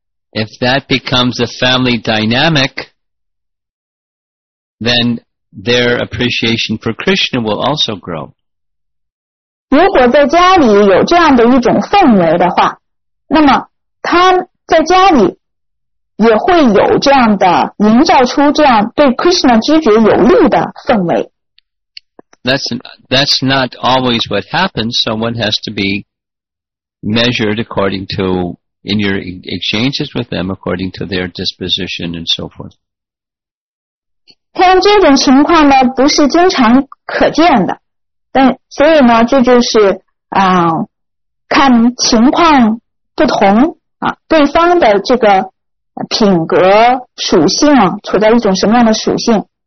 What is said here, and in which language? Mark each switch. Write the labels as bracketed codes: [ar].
[en] If that becomes a family dynamic, then their appreciation for Krishna will also grow. [zh] 如果在家里有这样的一种氛围的话，那么他在家里也会有这样的营造出这样对 Krishna 知觉有利的氛围。 [en] That's not always what happens. Someone has to be measured according to, in your exchanges with them, according to their disposition and so forth. [zh] 但这种情况呢不是经常可见的。但所以呢这就是看情况不同对方的这个品格属性处在一种什么样的属性。